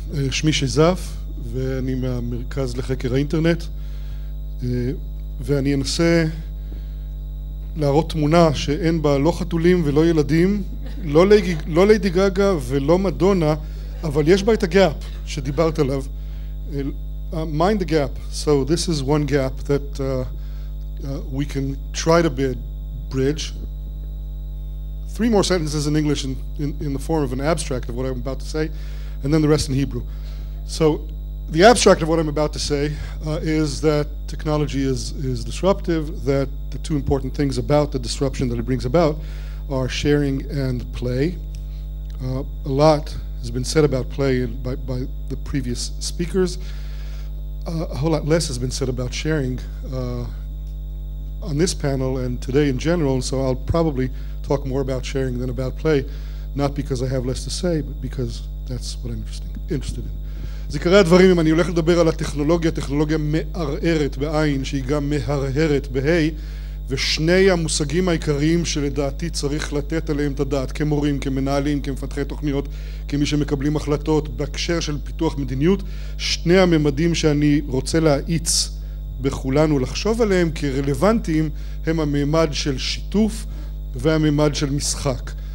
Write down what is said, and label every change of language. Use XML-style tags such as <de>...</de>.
<he>שמי שזף, ואני מהמרכז לחקר האינטרנט, ואני אנסה להראות תמונה שאין בה לא חתולים ולא ילדים, לא לידי גאגה ולא מדונה, אבל יש בה את הגאפ שדיברת עליו.</he> <en>Mind the gap. So this is one gap that we can try to bridge. Three more sentences in English in the form of an abstract of what I'm about to say, and then the rest in Hebrew. So the abstract of what I'm about to say is that technology is disruptive, that the two important things about the disruption that it brings about are sharing and play. A lot has been said about play by the previous speakers. A whole lot less has been said about sharing on this panel and today in general, so I'll probably talk more about sharing than about play, not because I have less to say, but because that's what I'm interested in.</en> <he>אז עיקרי הדברים, אם אני הולך לדבר על הטכנולוגיה, טכנולוגיה מערערת בעין, שהיא גם מהרהרת בהי, ושני המושגים העיקריים שלדעתי צריך לתת עליהם את הדעת, כמורים, כמנהלים, כמפתחי תוכניות, כמי שמקבלים החלטות, בהקשר של פיתוח מדיניות, שני הממדים שאני רוצה להאיץ בכולנו לחשוב עליהם כרלוונטיים, הם הממד של שיתוף והממד של משחק.</he>